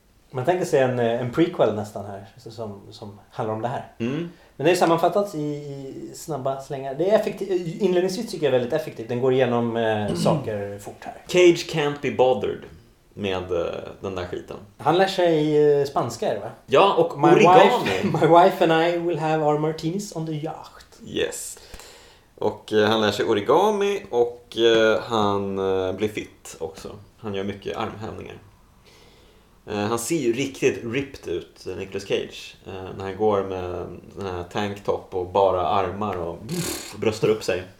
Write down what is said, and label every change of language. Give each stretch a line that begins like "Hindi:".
Swedish: Man tänker sig en prequel nästan här som handlar om det här. Mm. Men det är sammanfattat i snabba slängar. Det är effektivt. Inledningsvis tycker jag är väldigt effektivt. Den går igenom saker fort här. Cage
English: can't be bothered
Swedish: med den där skiten. Han lär sig spanska, va? Ja, och origami.
English: My wife and I will have our martinis on the yacht. Yes.
Swedish: Och han lär sig origami och han blir fit också. Han gör mycket armhävningar. Han ser ju riktigt ripped ut, Nicolas Cage. När han går med den här tanktop och bara armar och bröstar upp sig.